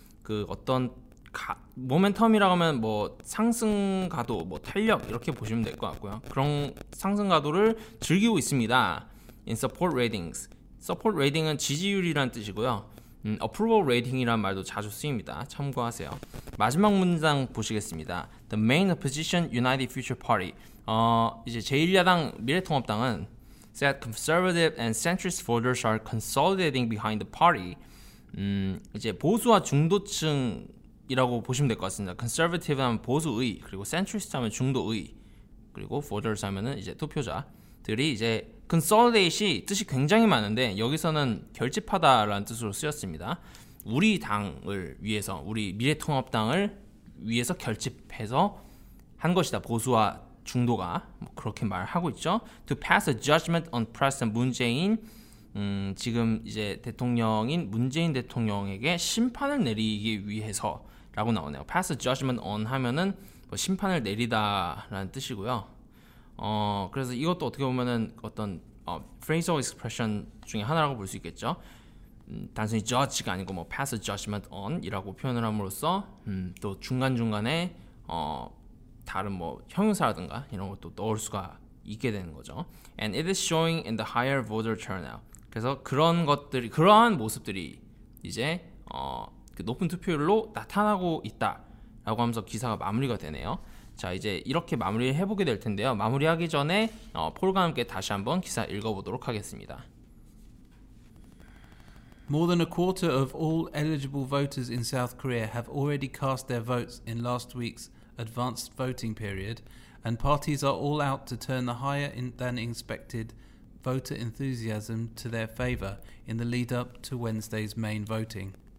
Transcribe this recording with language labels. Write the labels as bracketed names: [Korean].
[Korean] 그 어떤 모멘텀이라고 하면 뭐 상승 가도 뭐 탄력 이렇게 보시면 될 것 같고요. 그런 상승 가도를 즐기고 있습니다. [English] In support ratings. Support rating은 [Korean] 지지율이란 뜻이고요. [English] Approval rating [Korean] 이란 말도 자주 쓰입니다. 참고하세요. 마지막 문장 보시겠습니다. [English] The main opposition United Future Party. [Korean] 이제 제1야당 미래통합당은 [English] said conservative and centrist voters are consolidating behind the party. [Korean] 이제 보수와 중도층 이라고 보시면 될 것 같습니다. Conservative 하면 보수의, 그리고 Centrist 하면 중도의, 그리고 Voters 하면은 이제 투표자들이 이제 Consolidate이 뜻이 굉장히 많은데 여기서는 결집하다라는 뜻으로 쓰였습니다. 우리 당을 위해서, 우리 미래통합당을 위해서 결집해서 한 것이다. 보수와 중도가 뭐 그렇게 말하고 있죠. [English] To pass a judgment on President [Korean] 문재인 지금 이제 대통령인 문재인 대통령에게 심판을 내리기 위해서 라고 나오네요. [English] Pass judgment on [Korean] 하면은 뭐 심판을 내리다라는 뜻이고요. 그래서 이것도 어떻게 보면은 어떤 phrasal expression 중에 하나라고 볼 수 있겠죠. 단순히 judge가 아니고 뭐 [English] pass judgment on [Korean] 이라고 표현을 함으로써 또 중간중간에 다른 뭐 형용사라든가 이런 것도 넣을 수가 있게 되는 거죠. [English] And it is showing in the higher voter turnout. [Korean] 그래서 그런 것들이 그러한 모습들이 이제 그 높은 투표율로 나타나고 있다라고 하면서 기사가 마무리가 되네요. 자 이제 이렇게 마무리를 해보게 될 텐데요. 마무리하기 전에 폴과 함께 다시 한번 기사 읽어보도록 하겠습니다. [English] More than a quarter of all eligible voters in South Korea have already cast their votes in last week's advanced voting period, and parties are all out to turn the higher than expected voter enthusiasm to their favor in the lead up to Wednesday's main voting.